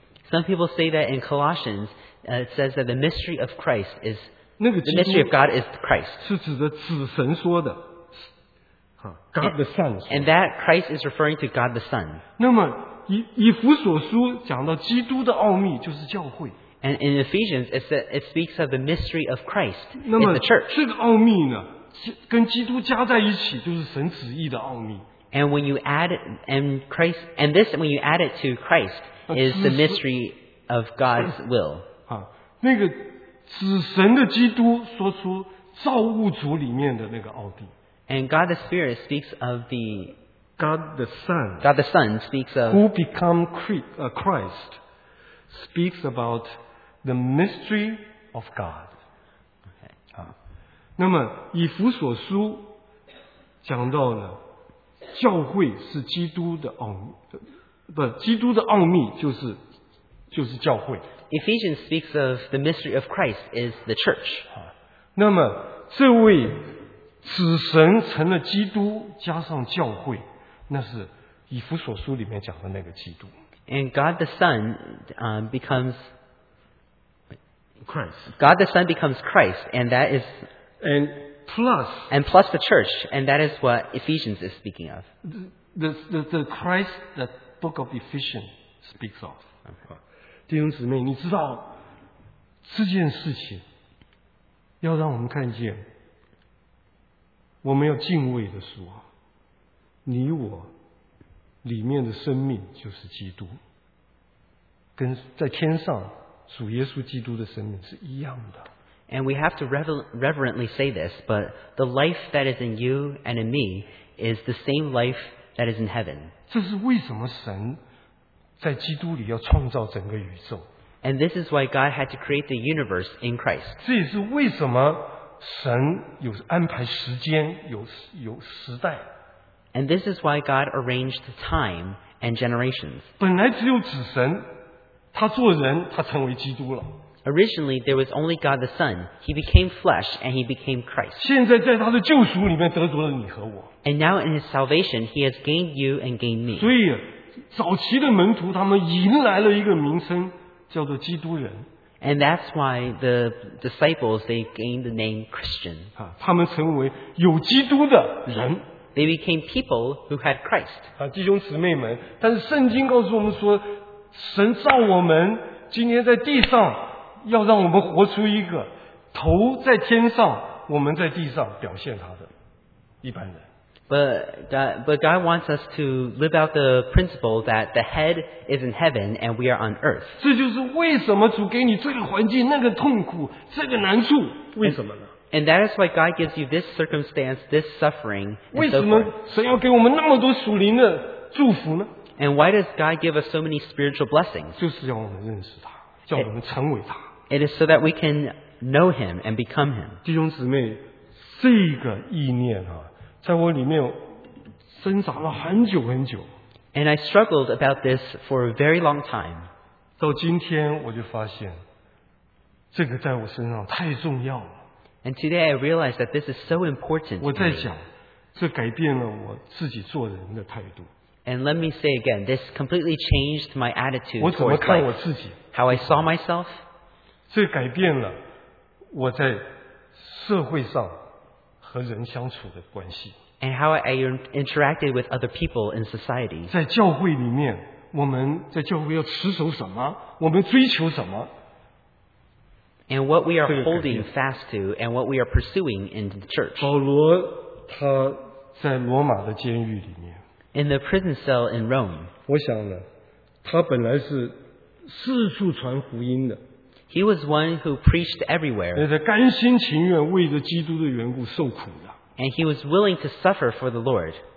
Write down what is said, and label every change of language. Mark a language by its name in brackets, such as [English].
[English] Some people say that in Colossians, it says that the mystery of Christ is the mystery of God is Christ. [Chinese] 是指的子神说的 [English] God the Son. And that Christ is referring to God the Son. [Chinese] 那么以弗所书讲到基督的奥秘就是教会。 [English] And in Ephesians, it speaks of the mystery of Christ in the church. [Chinese] 这个奥秘呢，跟基督加在一起就是神旨意的奥秘。 [English] And when you add it, and Christ, and this, when you add it to Christ, is the mystery of God's will. [Chinese] 那个子神的基督说出造物主里面的那个奥秘。 [English] And God the Spirit speaks of the God the Son. God the Son speaks of who become Christ speaks about the mystery of God. Okay. [Chinese] 那么以弗所书讲到呢。教会是基督的奥秘，不，基督的奥秘就是教会。 [English] Ephesians speaks of the mystery of Christ is the church. [Chinese] 那么这位子神成了基督，加上教会，那是以弗所书里面讲的那个基督。 [English] And God the Son becomes Christ. God the Son becomes Christ, and that is and. Plus, and plus the church, and that is what Ephesians is speaking of. The Christ that book of Ephesians speaks of. [Chinese] 弟兄姊妹，你知道这件事情要让我们看见，我们要敬畏的主啊，你我里面的生命就是基督，跟在天上主耶稣基督的生命是一样的。 [English] And we have to reverently say this, but the life that is in you and in me is the same life that is in heaven. [Chinese] 这是为什么神在基督里要创造整个宇宙。 [English] And this is why God had to create the universe in Christ. [Chinese] 这也是为什么神有安排时间，有时代。 [English] And this is why God arranged time and generations. [Chinese] 本来只有子神，他做人，他成为基督了。 [English] Originally, there was only God the Son. He became flesh and he became Christ. [Chinese] 现在在他的救赎里面得着了你和我。 [English] And now in his salvation, he has gained you and gained me. [Chinese] 所以，早期的门徒他们迎来了一个名称，叫做基督人。 [English] And that's why the disciples they gained the name Christian. [Chinese] 他们成为有基督的人。 [English] They became people who had Christ. [Chinese] 弟兄姊妹们，但是圣经告诉我们说，神造我们今天在地上。要让我们活出一个头在天上，我们在地上表现他的一般人。 [English] But God wants us to live out the principle that the head is in heaven and we are on earth. [Chinese] 这就是为什么主给你这个环境，那个痛苦，这个难处，为什么呢？ [English] And that is why God gives you this circumstance, this suffering. [Chinese] 为什么神要给我们那么多属灵的祝福呢？ [English] And why does God give us so many spiritual blessings? [Chinese] 就是要我们认识他。叫我们成为他。 [English] It is so that we can know him and become him. [Chinese] 弟兄姊妹，这个意念啊，在我里面挣扎了很久很久。 [English] And I struggled about this for a very long time. [Chinese] 到今天我就发现，这个在我身上太重要了。 [English] And today I realized that this is so important. [Chinese] 我在想，这改变了我自己做人的态度。 [English] And let me say again, this completely changed my attitude towards life, how I saw myself. [Chinese] 这改变了我在社会上和人相处的关系。 [English] And how I interacted with other people in society. [Chinese] 在教会里面，我们在教会要持守什么？我们追求什么？ [English] And what we are holding fast to, and what we are pursuing in the church. [Chinese] 保罗他在罗马的监狱里面。 [English] In the prison cell in Rome. [Chinese] 我想呢，他本来是四处传福音的。 [English] He was one who preached everywhere. [Chinese] 甘心情愿为着基督的缘故受苦的。 [English] And he was willing to suffer for the Lord.